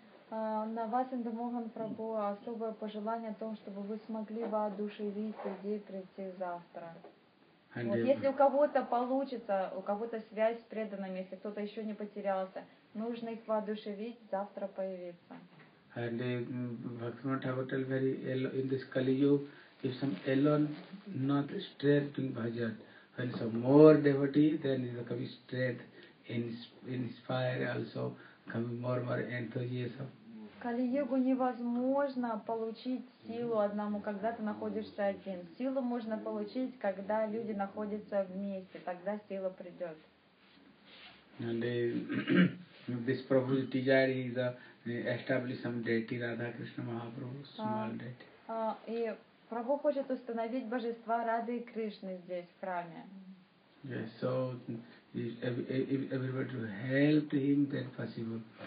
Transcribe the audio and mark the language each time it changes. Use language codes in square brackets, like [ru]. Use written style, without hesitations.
[ru] На вас, Индамохан Прабху, особое пожелание о том, чтобы вы смогли воодушевить людей прийти завтра. Вот, если у кого-то получится, у кого-то связь с преданными, если кто-то еще не потерялся, нужно их воодушевить, завтра появиться. [en] And Bhaktivinoda Thakur tell very in this Kali Yuga, if some alone not strength to bhajan, when some more devotee, then there can be strength inspire also, can be more enthusiasm. [ru] Кали Йогу невозможно получить силу одному, когда ты находишься один. Силу можно получить, когда люди находятся вместе. Тогда сила придет. [en] And this Prabhu's desire is to establish some deity, Radha Krishna Mahaprabhu, small deity. [ru] И Прабху хочет установить божества Рады и Кришны здесь, в храме. [en] Yes, so if everybody to help him, then possible.